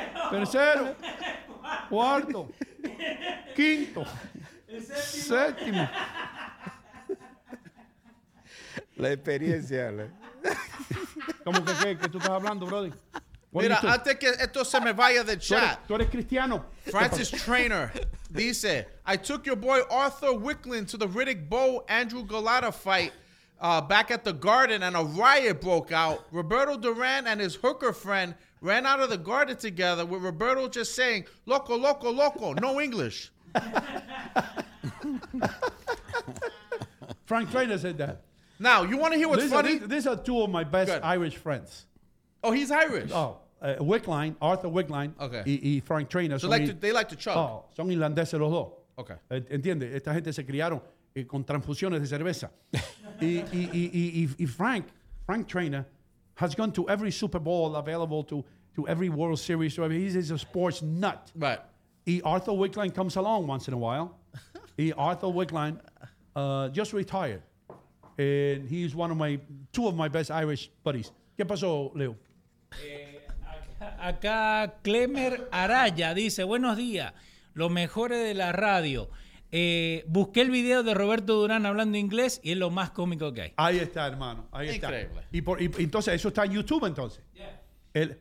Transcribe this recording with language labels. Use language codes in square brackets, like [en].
[es] Tercero. Cuarto. Quinto. El séptimo. La experiencia. ¿Cómo que qué tú estás hablando, brody? Mira, antes que esto se me vaya del chat. ¿Tú eres cristiano? [en] Francis Trainer dice, I took your boy Arthur Wicklund to the Riddick Bowe Andrew Golota fight back at the Garden and a riot broke out. Roberto Duran and his hooker friend ran out of the Garden together with Roberto just saying, [es] loco, loco, loco, [en] no English. Frank Trainer said that. Now, you want to hear what's funny? These are two of my best Irish friends. Oh, he's Irish. Oh, Wickline, Arthur Wickline. Okay. [es] Y Frank Trainer. [en] So they like to chug. [es] Oh, son irlandeses los dos. [en] Okay. [es] Entiende, esta gente se criaron con transfusiones de cerveza. [en] Frank Trainer has gone to every Super Bowl available to every World Series. He's a sports nut. Right. Y Arthur Wickline comes along once in a while. Arthur Wickline just retired. And he's two of my best Irish buddies. [es] ¿Qué pasó, Leo? Acá Clemer Araya dice, buenos días, los mejores de la radio. Busqué el video de Roberto Durán hablando inglés y es lo más cómico que hay. Ahí está, hermano. Ahí está. Increíble. Y entonces, eso está en YouTube, entonces. [en] Yeah.